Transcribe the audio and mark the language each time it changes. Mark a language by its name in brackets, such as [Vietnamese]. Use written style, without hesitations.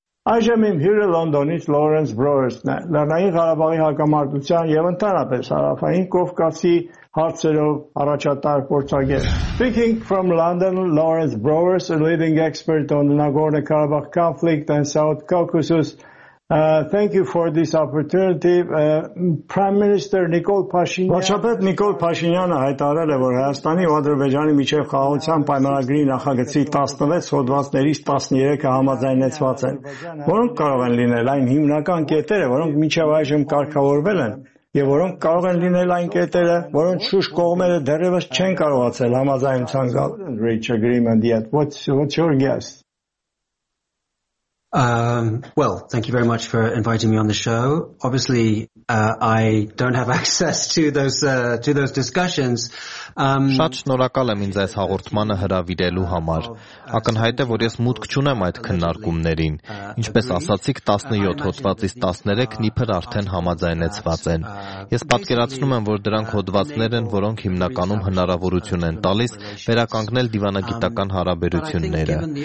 [Armenian] Այժմ իմ հյուրը Լոնդոնից Լորենս Բրոերսն է, Լեռնային Ղարաբաղի հակամարտության և ընդհանրապես Հարավային Կովկասի հարցերով առաջատար փորձագետ։ [English] Speaking from London, Lawrence Brewers, a leading expert on the Nagorno-Karabakh conflict and South Caucasus. Thank you for this opportunity. Prime Minister Nikol Pashinyan. [Armenian] Վարչապետ Նիկոլ Փաշինյանը հայտարարել է, որ Հայաստանի ու Ադրբեջանի միջև խաղաղության պայմանագրի նախագծի 16 հոդվածներից 13-ը համաձայնեցված են, որոնք կարող են լինել այն հիմնական կետերը, որոնք միջև այժմ կարգավորվել են, և որոնք կարող են լինել այն կետերը, որոնց շուշ կողմերը դեռևս չեն կարողացել համաձայնության գալ։ [English] What's your guess? Well, thank you very much for inviting me on the show. Obviously, I don't have access to those discussions. [Armenian] Շատ շնորհակալ եմ ինձ այս հաղորդմանը հրավիրելու համար։ Ակնհայտ է, որ ես մուտք չունեմ այդ քննարկումներին։ Ինչպես ասացիք, 17 հոդվածից 13-ն իբր արդեն համաձայնեցված են։ Ես պատկերացնում եմ, որ դրանք հոդվածներ են, որոնք հիմնականում հնարավորություն են տալիս վերականգնել դիվանագիտական հարաբերությունները։